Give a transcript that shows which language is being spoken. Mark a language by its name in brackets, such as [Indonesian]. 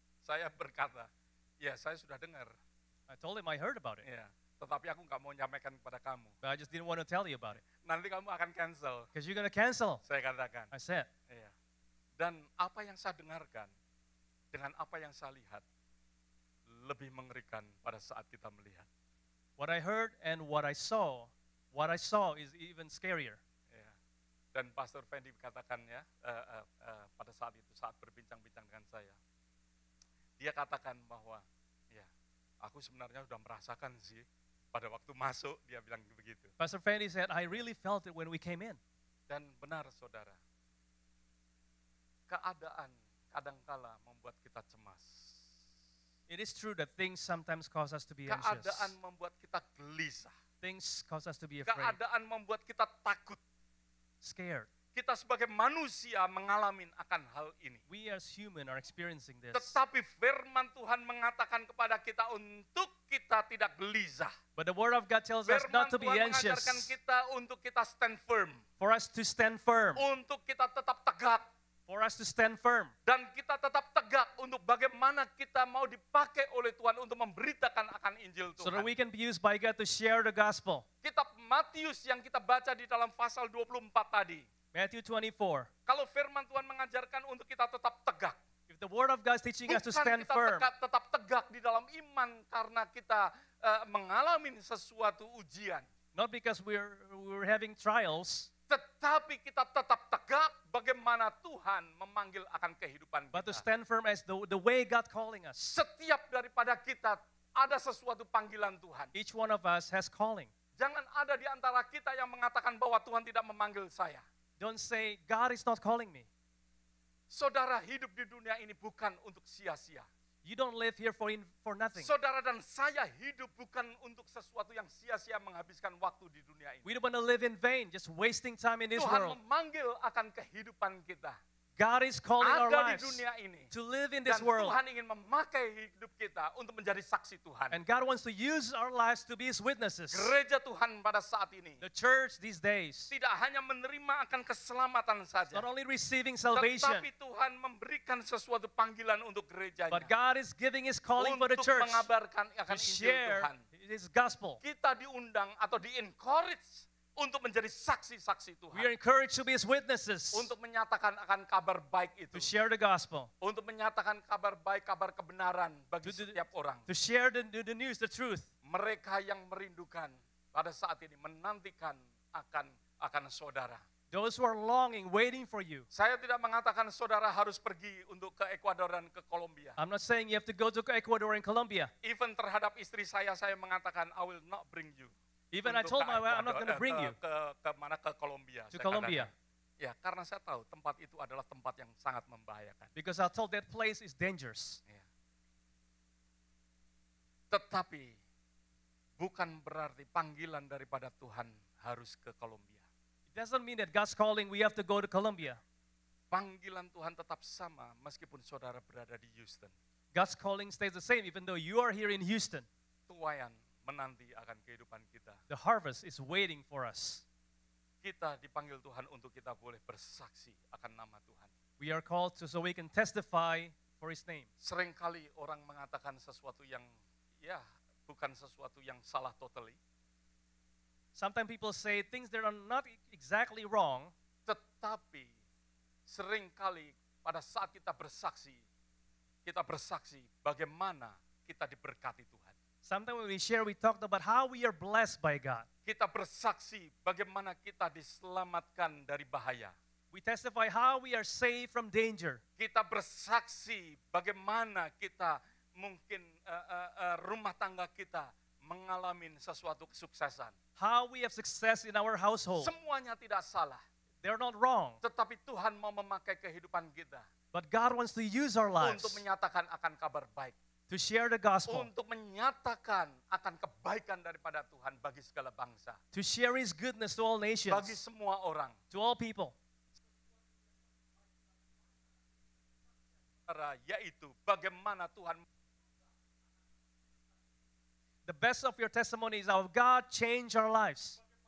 [Indonesian] Saya berkata, ya saya sudah dengar. [English] I told him I heard about it. [Indonesian] Yeah. Tetapi aku nggak mau nyampaikan kepada kamu. [English] But I just didn't want to tell you about it. [Indonesian] Nanti kamu akan cancel. [English] Because you're gonna cancel. [Indonesian] Saya katakan. [English] I said. [Indonesian] Iya. Dan apa yang saya dengarkan dengan apa yang saya lihat lebih mengerikan pada saat kita melihat. [English] What I heard and what I saw is even scarier. [Indonesian] Iya. Dan Pastor Fendi katakan ya pada saat itu saat berbincang-bincang dengan saya, dia katakan bahwa ya aku sebenarnya sudah merasakan sih. Pada waktu masuk, dia bilang begitu. [English] Pastor Fanny said, I really felt it when we came in. [Indonesian] Dan benar, saudara. Keadaan kadangkala membuat kita cemas. [English] It is true that things sometimes cause us to be [Indonesian] keadaan [English] anxious. [Indonesian] Keadaan membuat kita gelisah. [English] Things cause us to be afraid. [Indonesian] Keadaan membuat kita takut. [English] Scared. [Indonesian] Kita sebagai manusia mengalami akan hal ini. [English] We as human are experiencing this. [Indonesian] Tetapi firman Tuhan mengatakan kepada kita untuk kita tidak gelisah. [English] But the word of God tells us not to be anxious. [Indonesian] Firman Tuhan mengajarkan kita untuk kita [English] stand firm. For us to stand firm. [Indonesian] Untuk kita tetap tegak. [English] For us to stand firm. [Indonesian] Dan kita tetap tegak untuk bagaimana kita mau dipakai oleh Tuhan untuk memberitakan akan Injil Tuhan. [English] So that we can be used by God to share the gospel. [Indonesian] Kitab Matius yang kita baca di dalam pasal 24 tadi. [English] Matthew 24. [Indonesian] Kalau firman Tuhan mengajarkan untuk kita tetap tegak. [English] If the word of God is teaching us to stand firm. [Indonesian] Bukan kita tetap tegak di dalam iman karena kita mengalami sesuatu ujian. [English] Not because we're having trials. [Indonesian] Tetapi kita tetap tegak bagaimana Tuhan memanggil akan kehidupan kita. [English] But to stand firm as the way God calling us. [Indonesian] Setiap daripada kita ada sesuatu panggilan Tuhan. [English] Each one of us has calling. [Indonesian] Jangan ada di antara kita yang mengatakan bahwa Tuhan tidak memanggil saya. [English] Don't say God is not calling me. [Indonesian] Saudara hidup di dunia ini bukan untuk sia-sia. [English] You don't live here for nothing. [Indonesian] Saudara dan saya hidup bukan untuk sesuatu yang sia-sia menghabiskan waktu di dunia ini. [English] We don't want to live in vain, just wasting time in this [Indonesian] Tuhan [English] world. [Indonesian] Tuhan memanggil akan kehidupan kita. [English] God is calling [Indonesian] ada [English] our lives [Indonesian] di dunia ini. [English] To live in this world. [Indonesian] Dan Tuhan ingin memakai hidup kita untuk menjadi saksi Tuhan. [English] And God wants to use our lives to be His witnesses. [Indonesian] Gereja Tuhan pada saat ini. [English] The church these days. [Indonesian] Tidak hanya menerima akan keselamatan saja. [English] Not only receiving salvation. [Indonesian] Tetapi Tuhan memberikan sesuatu panggilan untuk gerejanya. [English] But God is giving His calling for the church. [Indonesian] Untuk mengabarkan akan Injil Tuhan. [English] His gospel. [Indonesian] Kita diundang atau di-encourage. Untuk menjadi saksi-saksi Tuhan. [English] We are encouraged to be His witnesses. [Indonesian] Untuk menyatakan akan kabar baik itu. [English] To share the gospel. [Indonesian] Untuk menyatakan kabar baik, kabar kebenaran bagi setiap orang. [English] To share the news, the truth. [Indonesian] Mereka yang merindukan pada saat ini menantikan akan saudara. [English] Those who are longing, waiting for you. [Indonesian] Saya tidak mengatakan saudara harus pergi untuk ke Ecuador dan ke Colombia. [English] I'm not saying you have to go to Ecuador and Colombia. [Indonesian] Even terhadap istri saya mengatakan [English] I will not bring you. Even I told my wife I'm not going to bring you [Indonesian] ke mana ke Colombia. [English] To Colombia. [Indonesian] Ya, karena saya tahu tempat itu adalah tempat yang sangat membahayakan. [English] Because I told that place is dangerous. Yeah. [Indonesian] Tetapi bukan berarti panggilan daripada Tuhan harus ke Colombia. [English] It doesn't mean that God's calling we have to go to Colombia. [Indonesian] Panggilan Tuhan tetap sama meskipun saudara berada di Houston. [English] God's calling stays the same even though you are here in Houston. [Indonesian] Tuayan menanti akan kehidupan kita. [English] The harvest is waiting for us. [Indonesian] Kita dipanggil Tuhan untuk kita boleh bersaksi akan nama Tuhan. [English] We are called so we can testify for His name. [Indonesian] Seringkali orang mengatakan sesuatu yang, ya, bukan sesuatu yang salah totally. [English] Sometimes people say things that are not exactly wrong. [Indonesian] Tetapi seringkali pada saat kita bersaksi bagaimana kita diberkati Tuhan. [English] Sometimes when we share, we talk about how we are blessed by God. [Indonesian] Kita bersaksi bagaimana kita diselamatkan dari bahaya. [English] We testify how we are saved from danger. [Indonesian] Kita bersaksi bagaimana kita mungkin rumah tangga kita mengalami sesuatu kesuksesan. [English] How we have success in our household. [Indonesian] Semuanya tidak salah. [English] They're not wrong. [Indonesian] Tetapi Tuhan mau memakai kehidupan kita. [English] But God wants to use our lives. [Indonesian] Untuk menyatakan akan kabar baik. [English] To share the gospel. [Indonesian] Untuk menyatakan akan kebaikan daripada Tuhan bagi segala bangsa. [English] To share His goodness to all nations. [Indonesian] Bagi semua orang. [English] To all people. [Indonesian] Yaitu bagaimana Tuhan. [English] The best of your testimony is how God changed our lives.